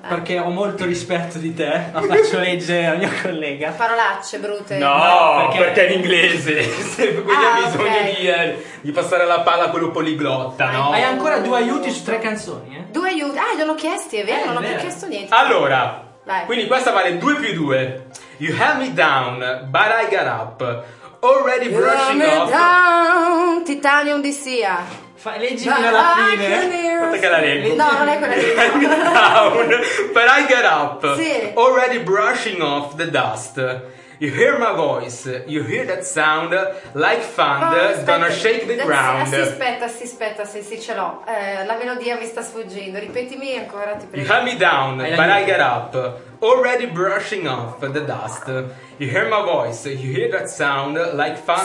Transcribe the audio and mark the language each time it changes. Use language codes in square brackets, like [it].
[it] Perché ho molto rispetto di te, la faccio leggere al mio collega. Parolacce brutte. No, perché è in inglese. Quindi ha bisogno di passare la palla a quello poliglotta, no? Hai ancora due aiuti su tre canzoni, eh? Due aiuti? Ah, gliel'ho chiesti, è vero, non ho più chiesto niente. Allora, vai. Quindi questa vale 2+2. [en] You have me down, but I got up. Already brushing off. [it] Down, Titanium di Sia. Leggimi alla fine. Aspetta che la leggo. No, non è quella. [en] Down, but I got up. [it] Sì. [en] Already brushing off the dust. You hear my voice, you hear that sound, like thunder, gonna shake the ground. [it] Aspetta, sì, ce l'ho. La melodia mi sta sfuggendo, ripetimi ancora, ti prego. [en] You have me down, but I get up, already brushing off the dust. You hear my voice, you hear that sound, like thunder,